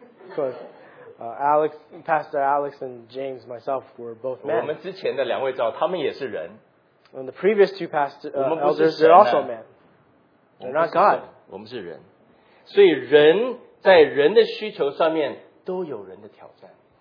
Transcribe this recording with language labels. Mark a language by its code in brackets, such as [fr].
[en] Because Alex, Pastor Alex and James, myself, were both men. [zh] 我们之前的两位长老，他们也是人。 [en] And the previous two elders, they're also men. They're not God. [zh] 我们是人。所以人在人的需求上面都有人的挑战。